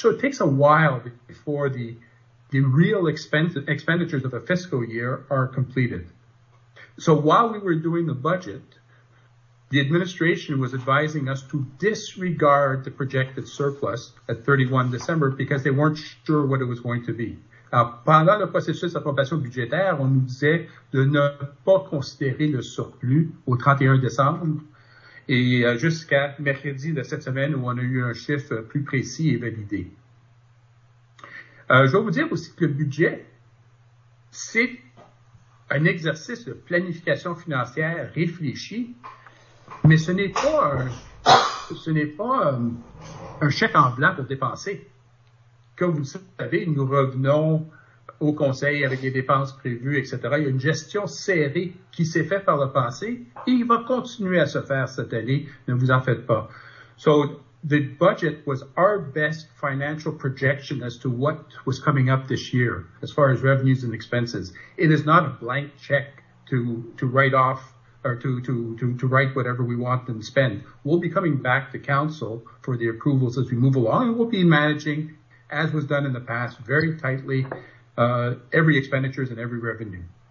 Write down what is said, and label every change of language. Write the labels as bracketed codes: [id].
[en] So it takes a while before the real expenditures of a fiscal year are completed. So while we were doing the budget, the administration was advising us to disregard the projected surplus at 31 December because they weren't sure what it was going to be. [fr] Pendant le processus d'approbation budgétaire, on nous disait de ne pas considérer le surplus au 31 décembre et jusqu'à mercredi de cette semaine où on a eu un chiffre plus précis et validé. Je vais vous dire aussi que le budget, c'est un exercice de planification financière réfléchi, mais ce n'est pas un chèque en blanc pour dépenser. Comme vous le savez, nous revenons au conseil avec les dépenses prévues, etc. Il y a une gestion serrée qui s'est faite par le passé et il va continuer à se faire cette année. Ne vous en faites pas. [en] So, the budget was our best financial projection as to what was coming up this year, as far as revenues and expenses. It is not a blank check to write whatever we want and spend. We'll be coming back to council for the approvals as we move along, and we'll be managing, as was done in the past, very tightly, every expenditures and every revenue.